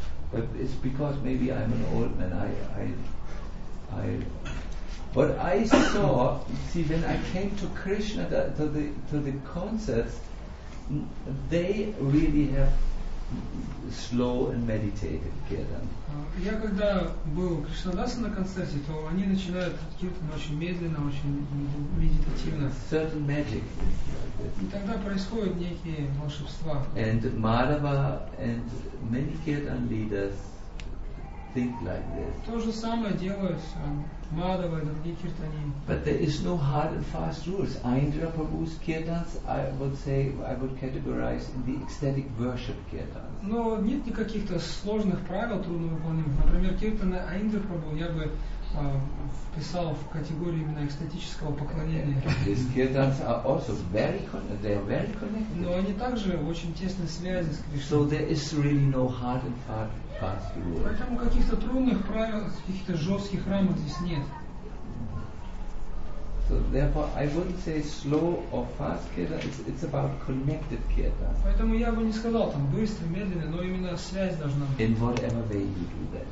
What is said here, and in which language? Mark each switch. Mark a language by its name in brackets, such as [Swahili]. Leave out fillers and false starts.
[English] But it's because maybe I'm an old man. But I saw, see, when I came to Krishna to the concerts, they really have slow and meditative kirtan. [Russian] Я когда был в Кришнадасе на концерте, то они начинают киртан очень медленно, очень медитативно. [English] Certain magic. [Russian] И тогда происходят некие волшебства. [English] And Madhava and many kirtan leaders think like this. [Russian] То же самое делают Мадхава и другие киртани. [English] But there is no hard and fast rules. Aindra Prabhu's kirtans, I would categorize in the ecstatic worship kirtans. [Russian] Но нет никаких-то сложных правил, трудно выполнимых. Например, киртаны Аиндра Прабху я бы вписал в категорию именно экстатического поклонения. [English] His kirtans are also very connected. They are very connected. [Russian] Но они также очень тесно связаны с Кришной. [English] So there is really no hard and fast. [Russian] Поэтому каких-то трудных правил, каких-то жестких рамок здесь нет. [English] So therefore, I wouldn't say slow or fast kirtan. It's about connected kirtan. [Russian] Поэтому я бы не сказал там быстро, медленно, но именно связь должна быть. [English] In whatever way you do that.